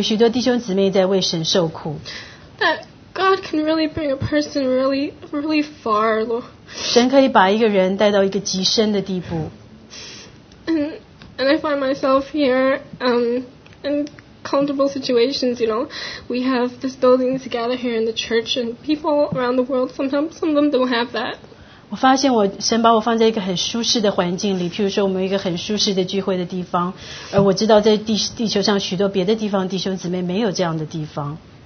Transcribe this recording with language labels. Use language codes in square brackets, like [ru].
[zh] 但是我很诧异的就是我听到很多别人的见证，就是譬如说在中国或是苏联，有许多弟兄姊妹在为神受苦。 [en] That God can really bring a person really, really far. [zh] 神可以把一个人带到一个极深的地步。 [en] And I find myself here, comfortable situations, you know. We have this building to gather here in the church, and people around the world sometimes some of them don't have that. [zh] 我发现神把我放在一个很舒适的环境里，譬如说我们有一个很舒适的聚会的地方，而我知道在地球上许多别的地方弟兄姊妹没有这样的地方。